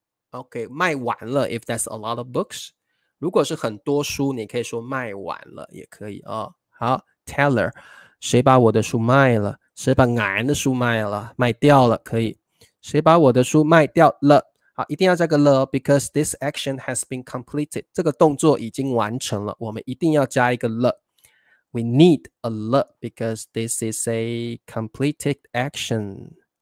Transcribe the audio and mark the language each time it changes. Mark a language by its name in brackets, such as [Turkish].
[English] OK, [Chinese] 卖完了 [English] if that's a lot of books. [Chinese] 如果是很多书，你可以说卖完了也可以哦。好 ，Teller, 谁把我的书卖了？谁把俺的书卖了？卖掉了可以。谁把我的书卖掉了？好，一定要加个了 ， [English] because this action has been completed. [Chinese] 这个动作已经完成了，我们一定要加一个了。 [English] We need a 了 ，because this is a completed action.